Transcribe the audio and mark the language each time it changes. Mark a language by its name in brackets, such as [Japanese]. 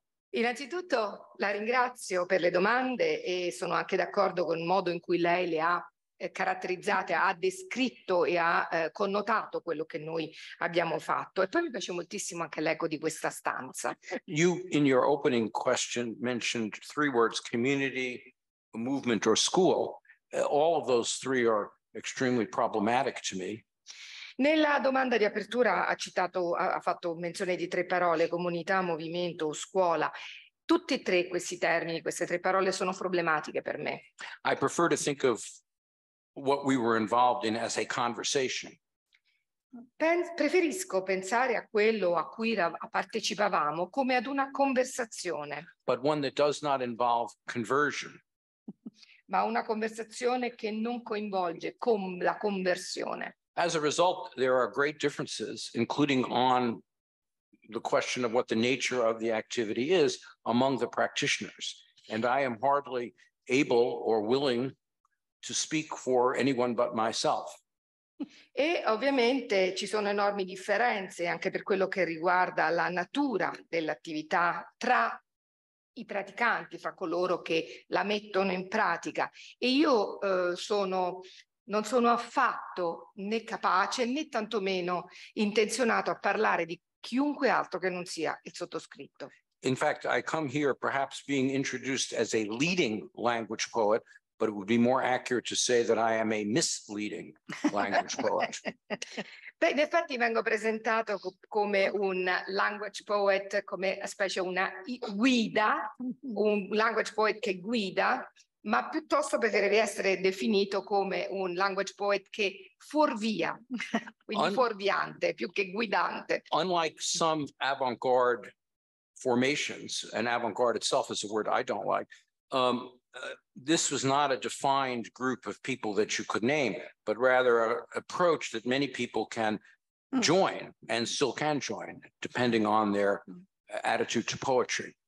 [Italian] Innanzitutto la ringrazio per le domande e sono anche d'accordo con il modo in cui lei le ha caratterizzate, ha descritto e ha connotato quello che noi abbiamo fatto. E poi mi piace moltissimo anche l'eco di questa stanza. [English] You, in your opening question, mentioned three words: community, movement or school. All of those three are extremely problematic to me. [Italian] Nella domanda di apertura ha fatto menzione di tre parole: comunità, movimento o scuola. Tutti e tre questi termini, queste tre parole, sono problematiche per me. [English] I prefer to think of what we were involved in as a conversation. [Italian] Preferisco pensare a quello a cui partecipavamo come ad una conversazione. [English] But one that does not involve conversion. [Italian] Ma una conversazione che non coinvolge con la conversione. [English] As a result, there are great differences, including on the question of what the nature of the activity is, among the practitioners. And I am hardly able or willing to speak for anyone but myself. [Italian] E ovviamente ci sono enormi differenze anche per quello che riguarda la natura dell'attività tra i praticanti, fra coloro che la mettono in pratica. E io non sono affatto né capace né tantomeno intenzionato a parlare di chiunque altro che non sia il sottoscritto. [English] In fact, I come here perhaps being introduced as a leading language poet, but it would be more accurate to say that I am a misleading language poet. [Italian] Beh, in effetti vengo presentato come un language poet, come specie una guida, un language poet che guida, ma piuttosto preferirei essere definito come un language poet che fuorvia, quindi fuorviante più che guidante. [English] Unlike some avant-garde formations, and avant-garde itself is a word I don't like, this was not a defined group of people that you could name, but rather an approach that many people can join and still can join, depending on their attitude to poetry.